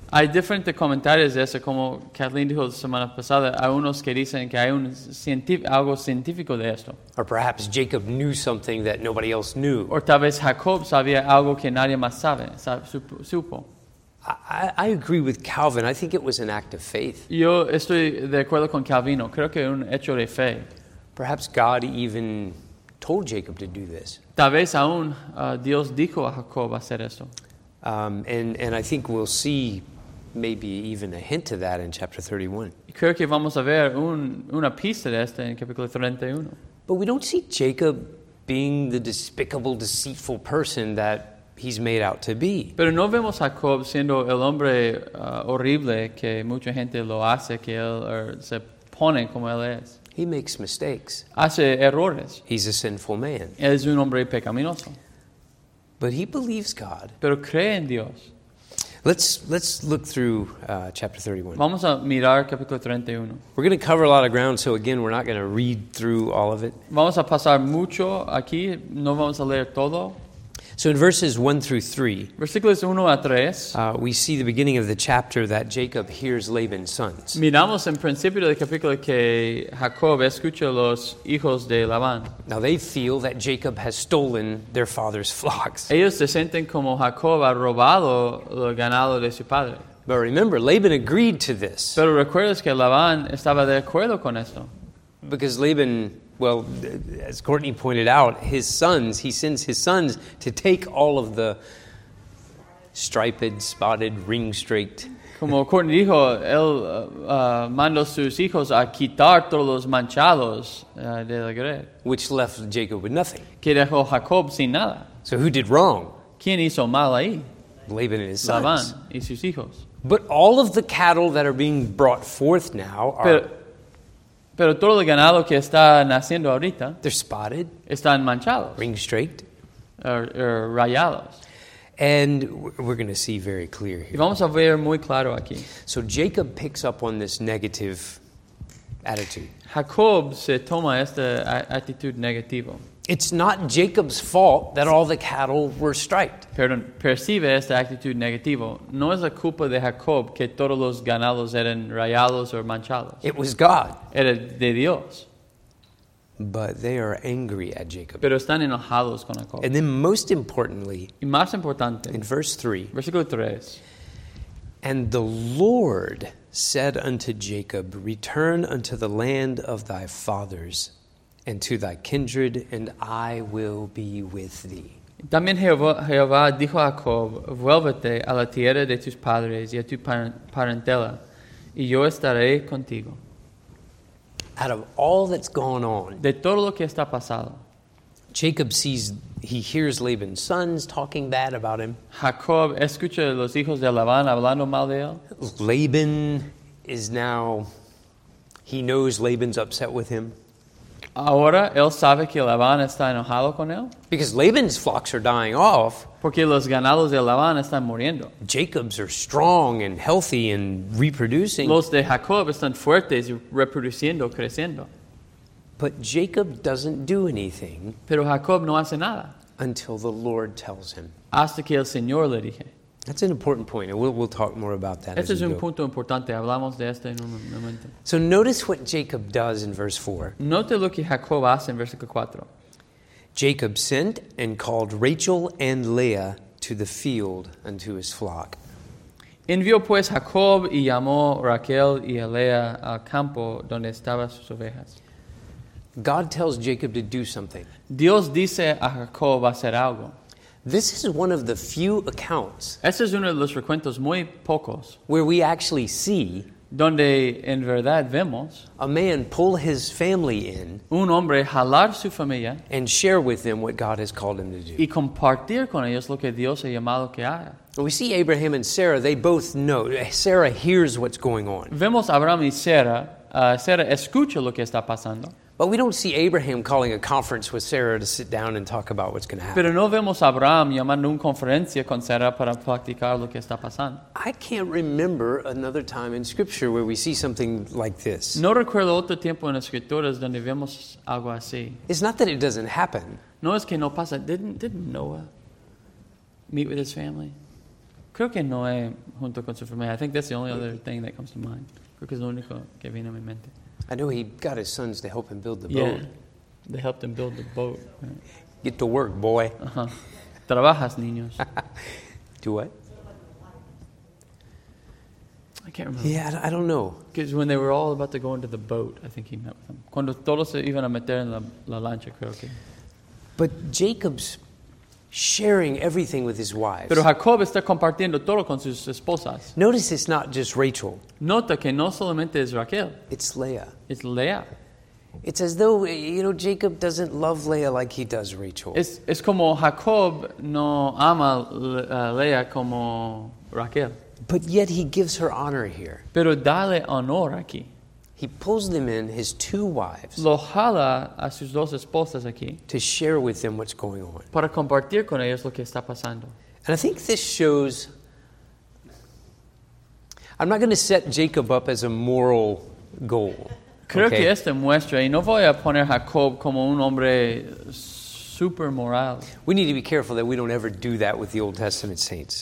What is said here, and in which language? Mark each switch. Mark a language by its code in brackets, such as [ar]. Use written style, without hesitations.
[es] Hay diferentes comentarios de eso, como Kathleen dijo la semana pasada, hay unos que dicen que hay algo científico de esto. [en] Or perhaps Jacob knew something that nobody else knew. [es] O tal vez Jacob sabía algo que nadie más sabe, supo. [en] I agree with Calvin. I think it was an act of faith. [es] Yo estoy de acuerdo con Calvino. Creo que es un hecho de fe. [en] Perhaps God even told Jacob to do this. [es] Tal vez aún Dios dijo a Jacob hacer esto. [en] And I think we'll see maybe even a hint of that in chapter 31. [es] Creo que vamos a ver una pista de esto en capítulo 31. [en] But we don't see Jacob being the despicable, deceitful person that he's made out to be. [es] Pero no vemos a Jacob siendo el hombre horrible que mucha gente lo hace, que él se pone como él es. [en] He makes mistakes. [es] Hace errores. [en] He's a sinful man. [es] Es un hombre pecaminoso. [en] But he believes God. [es] Pero cree en Dios. [en] Let's look through chapter 31. [es] Vamos a mirar capítulo 31. [en] We're going to cover a lot of ground, so again, we're not going to read through all of it. [es] Vamos a pasar mucho aquí. No vamos a leer todo. [en] So in verses 1 through 3, [es] versículos 1 a 3, [en] we see the beginning of the chapter that Jacob hears Laban's sons. [es] Miramos en principio del capítulo que Jacob escucha los hijos de Labán. [en] Now they feel that Jacob has stolen their father's flocks. [es] Ellos se sienten como Jacob ha robado lo ganado de su padre. [en] But remember, Laban agreed to this. [es] Pero recuerdas que Labán estaba de acuerdo con esto. [en] Because Laban... Well, as Courtney pointed out, his sons, he sends his sons to take all of the striped, spotted, ring-streaked. [es] Como Courtney dijo, él mandó sus hijos a quitar todos los manchados de la red. [en] Which left Jacob with nothing. [es] Que dejó Jacob sin nada. [en] So who did wrong? [es] ¿Quién hizo mal ahí? [en] Laban and his sons. [es] Laban y sus hijos. [en] But all of the cattle that are being brought forth now are... [es] Pero todo el ganado que está naciendo ahorita, [en] they're spotted, [es] están manchados, [en] ring straight, [es] or rayados. [en] And we're going to see very clear here. [es] Y vamos a ver muy claro aquí. [en] So Jacob picks up on this negative attitude. [es] Jacob se toma esta actitud negativa. [en] It's not Jacob's fault that all the cattle were striped. [es] Perdón, percibe esta actitud negativa. No es la culpa de Jacob que todos los ganados eran rayados o manchados. [en] It was God. [es] Era de Dios. [en] But they are angry at Jacob. [es] Pero están enojados con Jacob. [en] And then most importantly, [es] y más importante, [en] in verse 3, [es] versículo 3, [en] and the Lord said unto Jacob, return unto the land of thy fathers, and to thy kindred, and I will be with thee. [es] También Jehová dijo a Jacob, vuélvete a la tierra de tus padres y a tu parentela, y yo estaré contigo. [en] Out of all that's gone on, [es] de todo lo que está pasado, [en] Jacob sees, he hears Laban's sons talking bad about him. [es] Jacob escucha los hijos de Labán hablando mal de él. [en] Laban is now, he knows Laban's upset with him. [es] Ahora él sabe que Labán está enojado con él. [en] Because Laban's flocks are dying off. [es] Porque los ganados de Labán están muriendo. [en] Jacob's are strong and healthy and reproducing. [es] Los de Jacob están fuertes y reproduciendo, creciendo. [en] But Jacob doesn't do anything. [es] Pero Jacob no hace nada. [en] Until the Lord tells him. [es] Hasta que el Señor le dije. [en] That's an important point, and we'll talk more about that. [es] Este es un go. Punto importante. Hablamos de este en un momento. [en] So notice what Jacob does in verse 4. [es] Note lo que Jacob hace en versículo 4. [en] Jacob sent and called Rachel and Leah to the field unto his flock. [es] Envió pues Jacob y llamó Raquel y a Leah al campo donde estaban sus ovejas. [en] God tells Jacob to do something. [es] Dios dice a Jacob hacer algo. [en] This is one of the few accounts. [es] Este es uno de los recuentos muy pocos. [en] Where we actually see. [es] Donde en verdad vemos. [en] A man pull his family in. [es] Un hombre jalar su familia. [en] And share with them what God has called him to do. [es] Y compartir con ellos lo que Dios ha llamado que haga. [en] We see Abraham and Sarah, they both know. Sarah hears what's going on. [es] Vemos Abraham y Sarah. Sarah escucha lo que está pasando. [en] But we don't see Abraham calling a conference with Sarah to sit down and talk about what's going to happen. [es] Pero no vemos a Abraham llamando una conferencia con Sarah para platicar lo que está pasando. [en] I can't remember another time in Scripture where we see something like this. [es] No recuerdo otro tiempo en las Escrituras donde vemos algo así. [en] It's not that it doesn't happen. [es] No es que no pasa. [en] Didn't Noah meet with his family? [es] Creo que Noé junto con su familia. [en] I think that's the only other thing that comes to mind. [es] Creo que es lo único que viene a mi mente. [en] I know he got his sons to help him build the boat. Yeah, they helped him build the boat. Get to work, boy. [es] Uh-huh. Trabajas, niños. [en] Do what? I can't remember. Yeah, I don't know. Because when they were all about to go into the boat, I think he met with them. [es] Cuando todos se iban a meter en la lancha, creo que. [en] But Jacob's sharing everything with his wives. [es] Pero Jacob está compartiendo todo con sus esposas. [en] Notice it's not just Rachel. [es] Nota que no solamente es Raquel. [en] It's Leah. It's Leah. It's as though, you know, Jacob doesn't love Leah like he does Rachel. [es] Es como Jacob no ama Leah como Raquel. [en] But yet he gives her honor here. [es] Pero dale honor aquí. [en] He pulls them in, his two wives, [es] lo jala a sus dos esposas aquí, [en] to share with them what's going on. [es] Para compartir con ellos lo que está pasando. [en] And I think this shows, I'm not going to set Jacob up as a moral goal. [es] Creo okay? que esto muestra, y no voy a poner Jacob como un hombre super moral. [en] We need to be careful that we don't ever do that with the Old Testament saints.